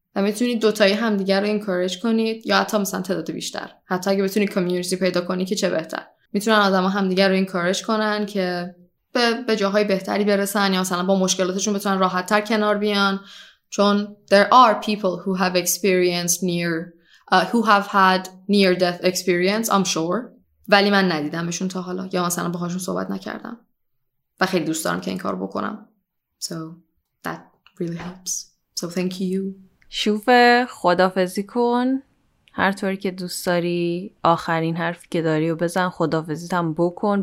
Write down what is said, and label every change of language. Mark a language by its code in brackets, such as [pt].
[fa] و میتونید دوتایی همدیگر رو انکوریج کنید، یا حتی مثلا تعداد بیشتر، حتی اگه بتونید کمیونیتی پیدا کنی که چه بهتر. میتونن آدما همدیگر رو انکوریج کنن که به جاهای بهتری برسن، یا مثلا با مشکلاتشون بتونن راحت تر کنار بیان، چون [en] there are people who have experienced near who have had near death experience, I'm sure. [fa] ولی من ندیدمشون تا حالا یا مثلا باهاشون صحبت نکردم و خیلی دوست دارم که این کار بکنم. [en] So that really helps. So thank you. [fa] شوفه خدافزی کن. هر طوری که دوست داری آخرین حرف که داری و بزن خدافزیت هم بکن.